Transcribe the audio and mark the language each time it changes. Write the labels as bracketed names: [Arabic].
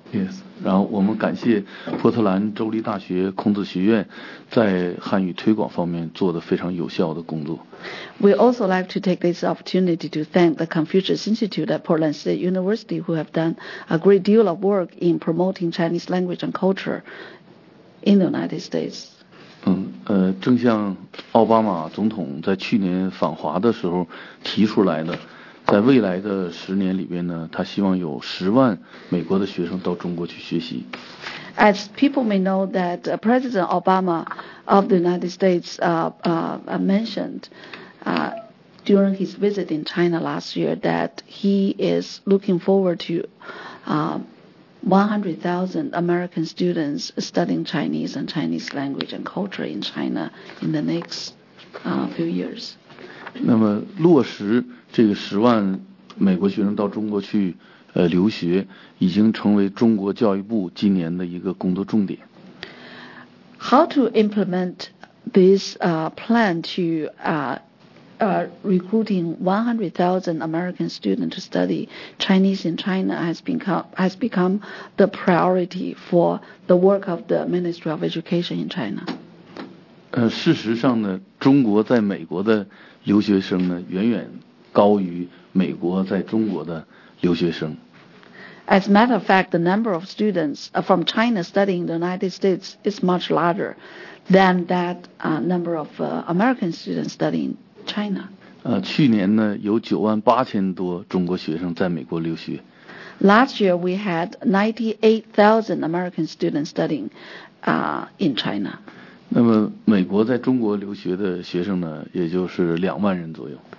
[English] Yes, [Chinese] 然后我们感谢波特兰州立大学孔子学院在汉语推广方面做得非常有效的工作。 [English] We also like to take this opportunity to thank the Confucius Institute at Portland State University who have done a great deal of work in promoting Chinese language and culture in the United States. [Chinese] 正像奥巴马总统在去年访华的时候提出来的，在未来的10年里边呢，他希望有10万美国的学生到中国去学习。 [English] As people may know that President Obama of the United States mentioned during his visit in China last year that he is looking forward to 100,000 American students studying Chinese and Chinese language and culture in China in the next few years. [Chinese] 那么落实这个十万美国学生到中国去留学已经成为中国教育部今年的一个工作重点。 [English] How to implement this plan to recruiting 100,000 American students to study Chinese in China has become the priority for the work of the Ministry of Education in China. [Chinese] 事实上呢，中国在美国的留学生呢，远远高于美国在中国的留学生。 [English] As a matter of fact, the number of students from China studying in the United States is much larger than that number of American students studying in China. [Chinese] 去年呢，有98,000多中国学生在美国留学。 [English] Last year, we had 98,000 American students studying in China. [Chinese] 那么，美国在中国留学的学生呢，也就是20,000人左右。